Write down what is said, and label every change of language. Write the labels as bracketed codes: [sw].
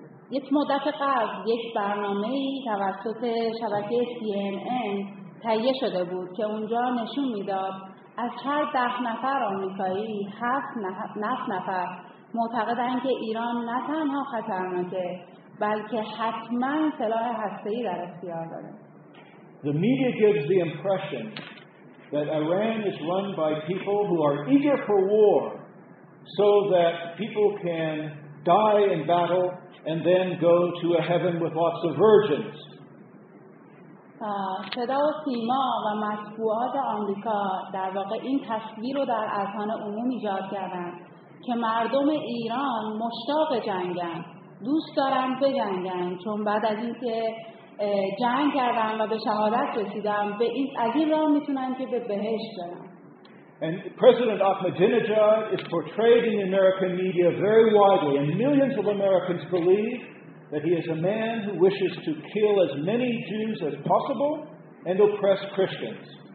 [fa] یک مدت قبل یک برنامه‌ای توسط شبکه CNN تهیه شده بود که اونجا نشون میداد از هر 10 نفر آمریکایی 7 نفر معتقدند که ایران نه تنها خطرناکه بلکه حتما سلاح هسته‌ای در اختیار داره. [en] The media gives the impression that Iran is run by people who are eager for war so that people can die in battle and then go to a heaven with lots of virgins. [fa] صدا و سیما و مطبوعات آمریکا در واقع این تصویر رو در اذهان عموم ایجاد کردن که مردم ایران مشتاق جنگن، دوست دارن بجنگن، چون بعد از این که جنگ کردن و به شهادت رسیدن به این از این راه میتونن که به بهشت برن. [en] And President Ahmadinejad is portrayed in the American media very widely, and millions of Americans believe that he is a man who wishes to kill as many Jews as possible and oppress Christians.